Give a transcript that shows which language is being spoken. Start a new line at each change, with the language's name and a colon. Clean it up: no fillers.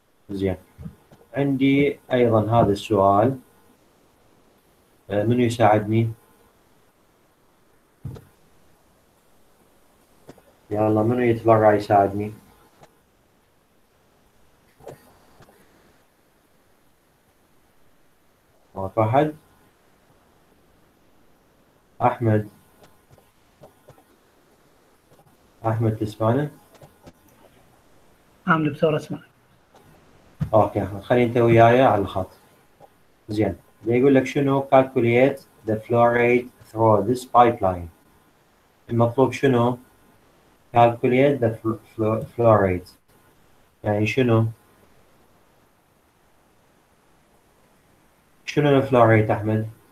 Arabic: زين عندي ايضا هذا السؤال من يساعدني؟ يلا من يتبرع يساعدني؟ أحد أحمد أحمد تسمعني؟ عامل بصورة اسمعني. أوكي خلي أنت وياي على الخط. زين بيقول لك شنو
English: calculate the flow rate through this pipeline.
Arabic: المطلوب شنو
English: calculate the flow rate
Arabic: يعني شنو شنو الفلو ريت احمد؟